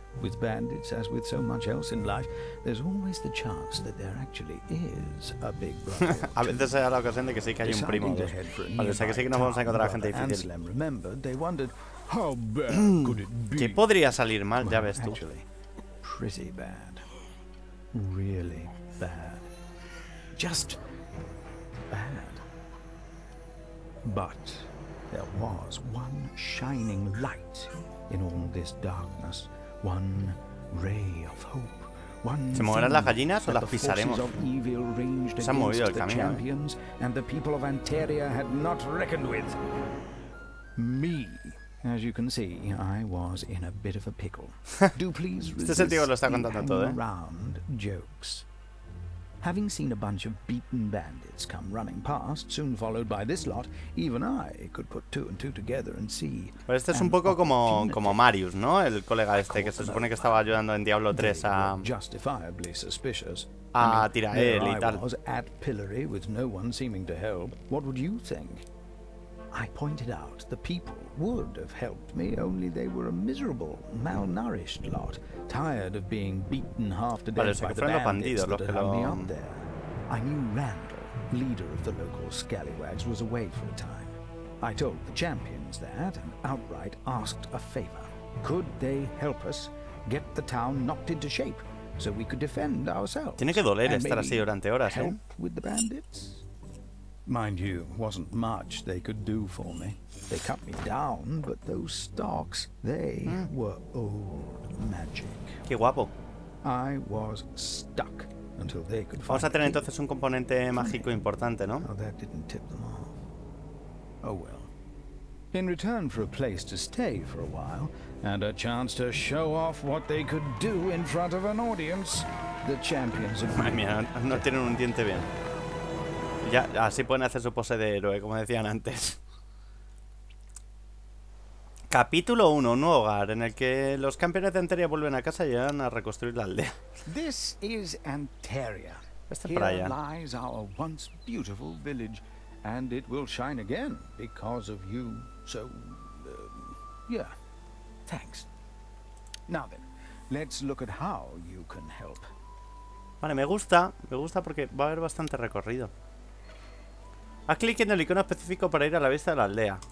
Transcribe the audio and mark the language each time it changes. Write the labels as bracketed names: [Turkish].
[English] With bandits, as with so much else in life, there's always the chance that there actually is a big brother. [Spanish] A veces se da la ocasión de que sí que hay un primo. Vale, o sea que sí que nos vamos a encontrar a gente difícil. [English] Remembered, they wondered how bad could it be? [Spanish] ¿Qué podría salir mal? Ya ves tú. [English] Pretty bad. Really bad. Just bad. But there was one shining light in all this darkness. One ray of hope. One [Spanish] ¿Se moverán las gallinas o las pisaremos? Se han movido el camino. [English] And the people of Anteria had not reckoned with. me. As you can see, I was in a bit of a pickle. Do please resist around jokes. Having seen a bunch of beaten bandits come running past, soon followed by this lot, even I could put two and two together and see. [Spanish] Pero este es un poco como Marius, ¿no? El colega este que se supone que estaba ayudando en Diablo 3 a [English] justifiably suspicious. [Spanish] Ah, tira él y tal. [English] I was at pillory with no one seeming to help. What would you think? I pointed out the people would have helped me, only they were a miserable, malnourished lot, tired of being beaten half to death by the bandits that had hung me up there. I knew Randall, leader of the local scallywags, was away for a time. I told the champions that and outright asked a favor. Could they help us get the town knocked into shape so we could defend ourselves? [Spanish] Tiene que doler estar así durante horas, ¿eh? [English] Help with the bandits? Mind you, wasn't much they could do for me. They cut me down, but those stalks, they were old magic. [Spanish] Qué guapo. [English] I was stuck until they could find. [Spanish] Vamos a tener entonces un componente mágico importante, ¿no? [English] Oh, that didn't tip them off. Oh well. In return for a place to stay for a while and a chance to show off what they could do in front of an audience, the champions of [Spanish] my no tienen un diente bien. Ya, así pueden hacer su pose de héroe, como decían antes. Capítulo 1, un nuevo hogar en el que los campeones de Anteria vuelven a casa y van a reconstruir la aldea. [English] This is Anteria. [Spanish] Esta es Praia. [English] Here lies our once beautiful village, and it will shine again because of you. So, yeah, thanks. Now then, let's look at how you can help. [Spanish] Vale, me gusta porque va a haber bastante recorrido. Haz clic en el icono específico para ir a la vista de la aldea.